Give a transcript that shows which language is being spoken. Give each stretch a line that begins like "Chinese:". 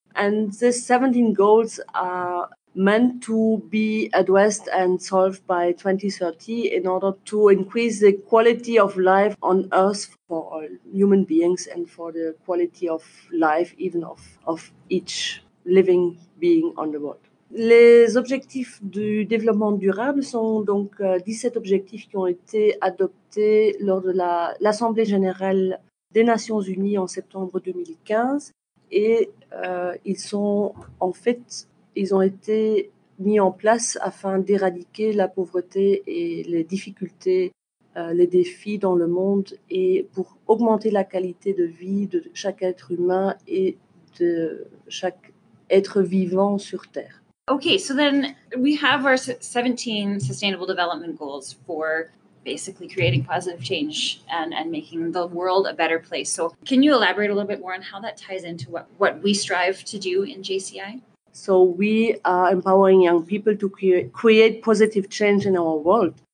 English: And these 17 goals are meant to be addressed and solved by 2030 in order to increase the quality of life on Earth for all human beings and for the quality of life even of each living being on the world.
French: Les objectifs du développement durable sont donc 17 objectifs qui ont été adoptés lors de l'Assemblée générale des Nations Unies en septembre 2015 et ils sont en fait ils ont été mis en place afin d'éradiquer la pauvreté et les difficultés les défis dans le monde et pour augmenter la qualité de vie de chaque être humain et de chaque être vivant sur terre.
English: Okay, so then we have our 17 Sustainable Development Goals for basically creating positive change and making the world a better place. So can you elaborate a little bit more on how that ties into what we strive to do in JCI? So we are empowering young people to create positive change in our world.